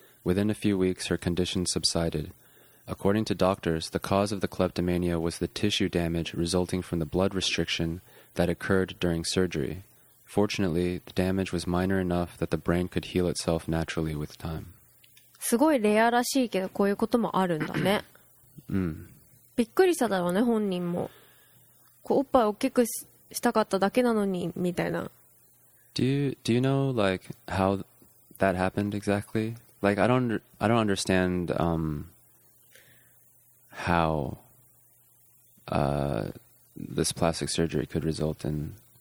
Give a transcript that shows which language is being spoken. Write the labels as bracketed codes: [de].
[en] Within a few weeks, her condition subsided. According to doctors, the cause of the kleptomania was the tissue damage resulting from the blood restriction that occurred during surgery. Fortunately, the damage was minor enough that the brain could heal itself naturally with time. [ja] すごいレアらしいけど、こういうこともあるんだね。うん。びっくりしただろうね、本人も。こうおっぱい大きくしたかっただけなのに、みたいな。 [en] Do you know, like, how that happened exactly? Like, I don't understand, how, this plastic surgery could result in...